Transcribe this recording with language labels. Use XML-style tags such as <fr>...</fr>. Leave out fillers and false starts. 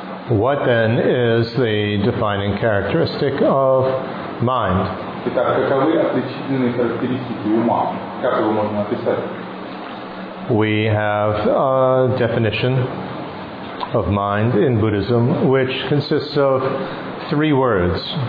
<en>What then is the defining characteristic of mind?</en> <ru>Итак, каковы отличительные характеристики ума? Как его можно описать?</ru> <en>We have a definition of mind in Buddhism, which consists of three words.</en>